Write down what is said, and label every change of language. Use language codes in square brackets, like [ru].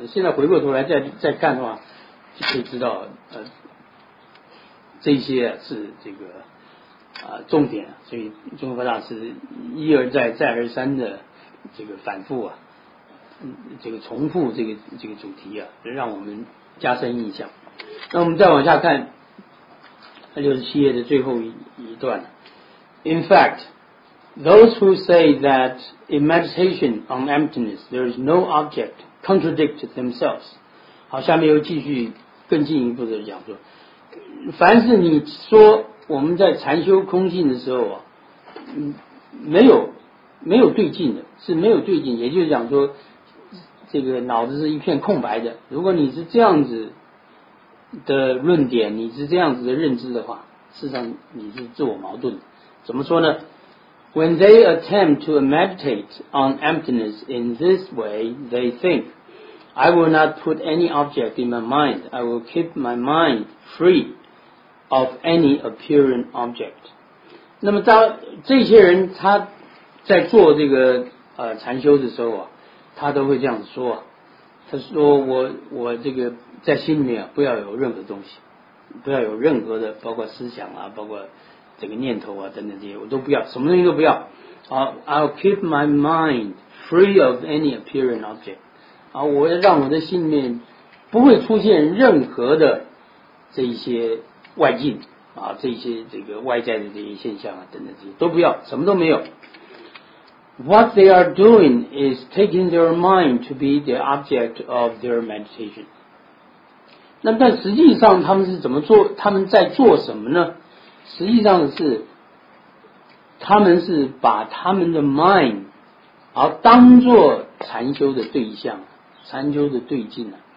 [zh] 现在回过头来再看的话，就可以知道，这些是这个重点，所以中国大师一而再、再而三的这个反复啊，这个重复这个主题啊，让我们加深印象。那我们再往下看，67页的最后一段。 [en] In fact, those who say that in meditation on emptiness there is no object contradict themselves. [zh] 好，下面又继续更进一步的讲说，凡是你说我们在禅修空性的时候啊，没有对境的，是没有对境，也就是讲说，这个脑子是一片空白的。如果你是这样子的论点，你是这样子的认知的话，事实上你是自我矛盾的。怎么说呢？ [en] When they attempt to meditate on emptiness in this way, they think, I will not put any object in my mind. I will keep my mind free of any appearing object. [zh] 那么当这些人他在做这个禅修的时候啊，他都会这样说，他说我这个在心里面不要有任何东西，不要有任何的包括思想啊，包括这个念头啊等等，这些我都不要，什么东西都不要。 [en] I'll keep my mind free of any appearing object. [zh] 我要让我的心里面不会出现任何的这一些外境啊，这些这个外在的这些现象啊等等，这些都不要，什么都没有。 [en] What they are doing is taking their mind to be the object of their meditation. [zh] 那但实际上他们是怎么做？他们在做什么呢？实际上是，他们是把他们的 mind 而当作禅修的对象，禅修的对境啊。